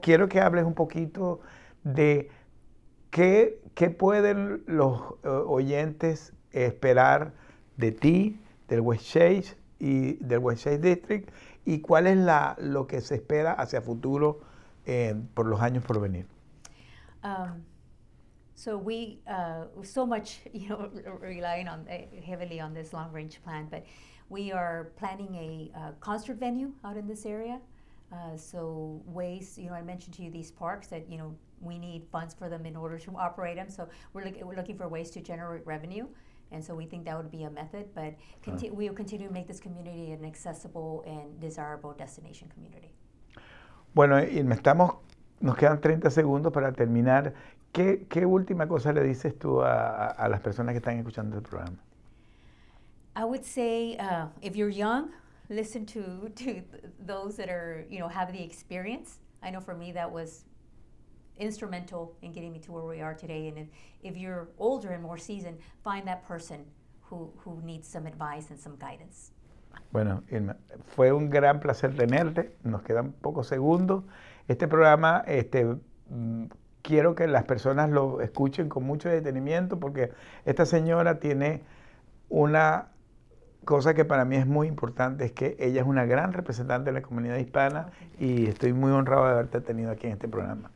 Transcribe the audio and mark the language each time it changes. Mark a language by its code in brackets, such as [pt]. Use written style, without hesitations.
[es] Quiero que hables un poquito de qué pueden los oyentes esperar de ti, del West Chase y del West Chase District, y cuál es lo que se espera hacia futuro por los años por venir. [en] So we so much, you know, relying on heavily on this long range plan, but we are planning a concert venue out in this area. So ways, you know, I mentioned to you these parks that, you know, we need funds for them in order to operate them. So we're looking for ways to generate revenue. And so we think that would be a method, but we will continue to make this community an accessible and desirable destination community. [es] Bueno, nos quedan 30 segundos para terminar. ¿Qué última cosa le dices tú a las personas que están escuchando el programa? [en] I would say if you're young, listen to those that are, you know, have the experience. I know for me that was instrumental in getting me to where we are today. And if you're older and more seasoned, find that person who needs some advice and some guidance. [es] Bueno, Irma, fue un gran placer tenerte. Nos quedan pocos segundos. Este programa, quiero que las personas lo escuchen con mucho detenimiento porque esta señora tiene una cosa que para mí es muy importante, es que ella es una gran representante de la comunidad hispana y estoy muy honrado de haberte tenido aquí en este programa.